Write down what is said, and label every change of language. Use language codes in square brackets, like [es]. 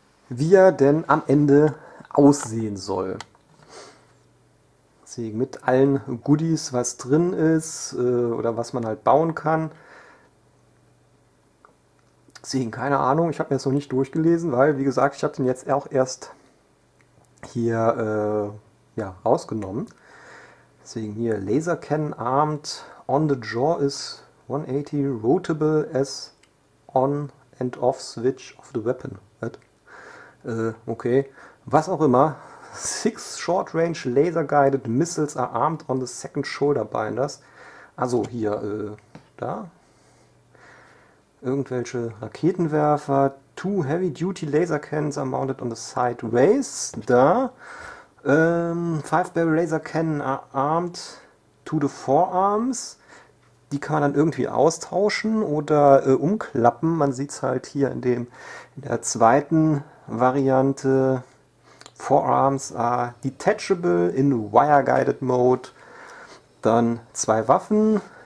[de] Wie er denn am Ende aussehen soll. Deswegen mit allen Goodies, was drin ist oder was man halt bauen kann. Deswegen keine Ahnung, ich habe mir das noch nicht durchgelesen, weil wie gesagt, ich habe den jetzt auch erst hier ja, rausgenommen. Deswegen hier [en] Laser Cannon Armed on the Jaw is 180 rotable as on and off switch of the weapon. [de] Okay. Was auch immer. [en] Six short-range laser-guided missiles are armed on the second shoulder binders. [de] Also hier, da. Irgendwelche Raketenwerfer. [en] Two heavy-duty laser cannons are mounted on the side waist. [de] Da. [en] Five-barrel laser cannon are armed to the forearms. [de] Die kann man dann irgendwie austauschen oder umklappen. Man sieht es halt hier in der zweiten Variante. [en] Forearms are detachable in wire-guided mode. [de] Dann zwei Waffen.